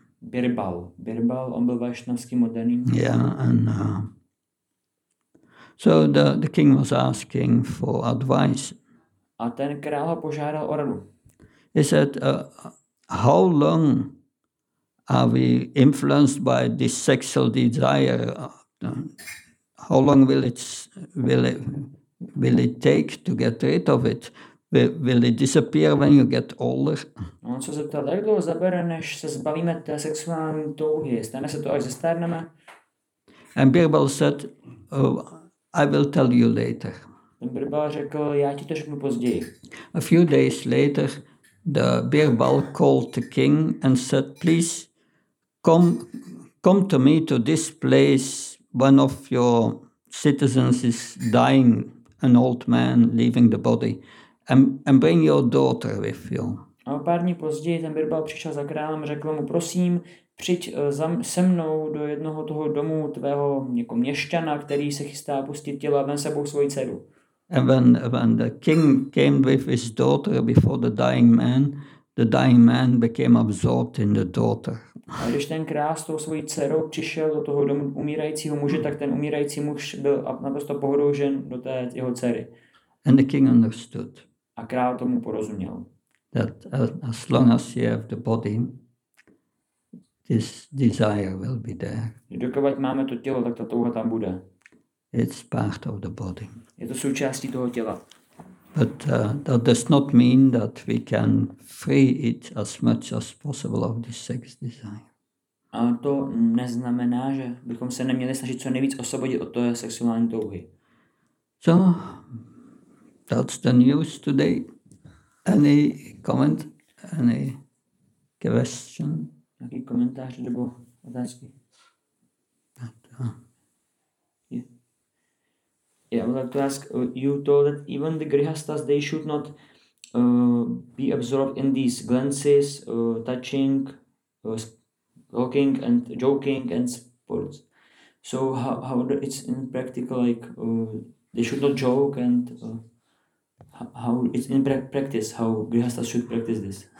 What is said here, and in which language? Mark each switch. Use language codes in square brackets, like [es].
[cs] Birbal, on byl vaishnavský moderní. [en] Yeah, and so the king was asking for advice. [cs] A ten král ho požádal o radu. [en] He said, how long are we influenced by this sexual desire? How long will it take to get rid of it? Will it disappear when you get older? [cs] On se zeptal, jak dlouho zabere, než se zbavíme té sexuální touhy? Stane se to, až zestárneme? [en] And Birbal said, I will tell you later. [cs] Birbal řekl, já ti to řeknu později. [en] A few days later, the Birbal called the king and said, please come to me to this place. One of your citizens is dying, an old man leaving the body, and bring your daughter with you. [cs] A pár dní později ten Birbal přišel za králem, řekl mu, prosím, přijď se mnou do jednoho toho domu tvého jako měšťana, který se chystá pustit tělo, a ven sebou svoji dceru. [en] And when the king came with his daughter before the dying man became absorbed in the daughter. [cs] A když ten král s tou svojí dcerou přišel do toho domu umírajícího muže, tak ten umírající muž byl naprosto pohroužen do té jeho dcery. [en] And the king understood. [cs] A král tomu porozuměl. [en] That as long as you have the body, this desire will be there. [cs] Dokud máme to tělo, tak ta touha tam bude. [en] It's part of the body. [cs] Je to součástí toho těla. [en] But that does not mean that we can free it as much as possible of this sex desire. [cs] A to neznamená, že bychom se neměli snažit co nejvíc osvobodit od toho sexuální touhy. [en] So, that's the news today. Any comment? Any question? [cs] Nějaký komentář nebo otázky? [en] Yeah, I would like to ask you told that even the grihastas, they should not be absorbed in these glances, touching, talking and joking and sports. So how it's in practical, like they should not joke and how it's in practice, how grihastas should practice this?